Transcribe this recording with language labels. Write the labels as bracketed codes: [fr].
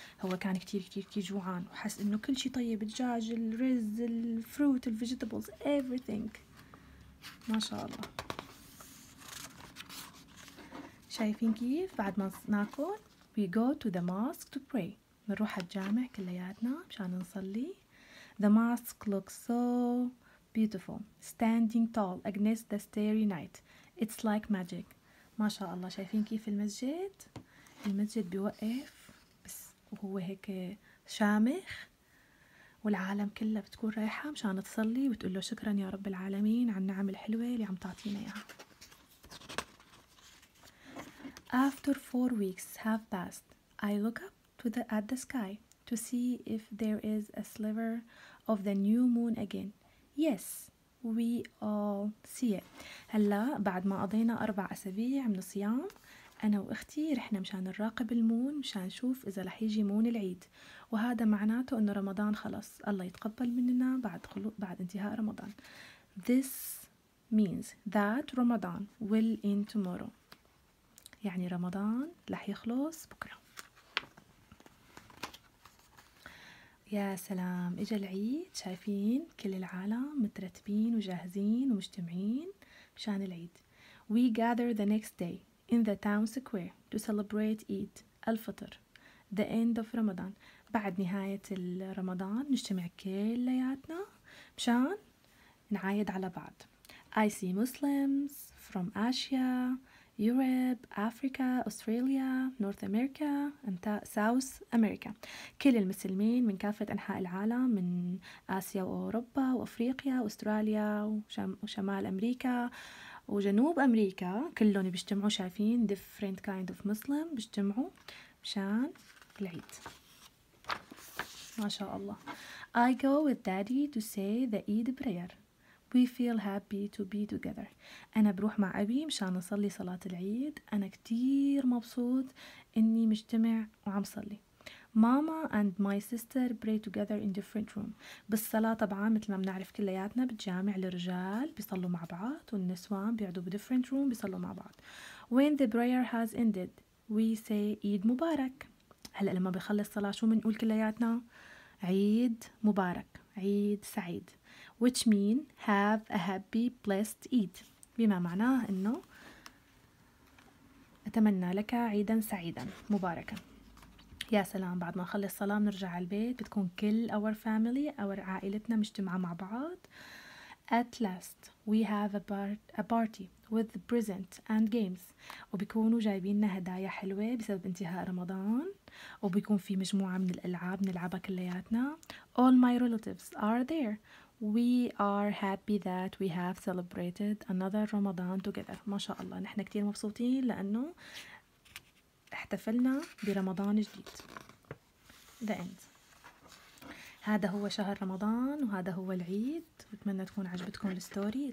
[ar] هو كان كتير كتير كتير جوعان وحس إنه كل شيء طيب، الدجاج، الرز، الفروت، الفيجيتابلز، everything. ما شاء الله. شايفين كيف بعد ما ناكل [en] we go to the mosque to pray. [ar] منروح الجامع كلياتنا مشان نصلي. [en] The mosque looks so beautiful, standing tall against the starry night. It's like magic. [ar] ما شاء الله. شايفين كيف المسجد؟ المسجد بيوقف بس وهو هيك شامخ والعالم كله بتكون رايحة مشان تصلي وتقول له شكرا يا رب العالمين على النعم الحلوة اللي عم تعطينا اياها. [en] After 4 weeks have passed, I look up to the sky to to see if there is a sliver of the new moon again. Yes, we all see it. [ar] هلا بعد ما قضينا 4 أسابيع من الصيام أنا وأختي رحنا مشان نراقب المون مشان نشوف إذا رح يجي مون العيد، وهذا معناته إنه رمضان خلص، الله يتقبل مننا بعد انتهاء رمضان. [en] This means that Ramadan will end tomorrow. [ar] يعني رمضان رح يخلص بكرة. يا سلام، إجا العيد، شايفين كل العالم مترتبين وجاهزين ومجتمعين مشان العيد. [en] We gather the next day in the town square to celebrate Eid, الفطر, the end of Ramadan. [ar] بعد نهاية رمضان نجتمع كلياتنا مشان نعايد على بعض. [en] I see Muslims from Asia, Europe, Africa, Australia, North America and South America. [ar] كل المسلمين من كافة أنحاء العالم من آسيا وأوروبا وأفريقيا وأستراليا وشمال أمريكا وجنوب أمريكا، كلهم بيجتمعوا، شايفين [en] different kind of Muslim [ar] بيجتمعوا مشان العيد. ما شاء الله. [en] I go with daddy to say the Eid prayer. We feel happy to be together. [ar] أنا بروح مع أبي مشان أصلي صلاة العيد. أنا كتير مبسوط إني مجتمع وعم صلي. [en] Mama and my sister pray together in different room. [ar] بالصلاة طبعا مثل ما بنعرف كلياتنا بالجامع للرجال بيصلوا مع بعض والنسوان بيقعدوا ب [en] different room [ar] بيصلوا مع بعض. [en] When the prayer has ended, we say Eid Mubarak. [ar] هلا لما بيخلص الصلاة شو بنقول كلياتنا؟ عيد مبارك، عيد سعيد. [en] Which mean have a happy blessed Eid. [ar] بما معناه انه اتمنى لك عيدا سعيدا مباركا. يا سلام، بعد ما نخلص صلاة نرجع على البيت بتكون كل [en] our family our [ar] عائلتنا مجتمعة مع بعض. [en] At last we have a party with present and games. [ar] وبيكونوا جايبيننا هدايا حلوة بسبب انتهاء رمضان، وبيكون في مجموعة من الألعاب نلعبها كلياتنا. [en] All my relatives are there. We are happy that we have celebrated another Ramadan together. [ar] ما شاء الله، نحن كتير مبسوطين لأنه احتفلنا برمضان جديد. [en] The end. [ar] هذا هو شهر رمضان وهذا هو العيد. بتمنى تكون عجبتكم الستوري.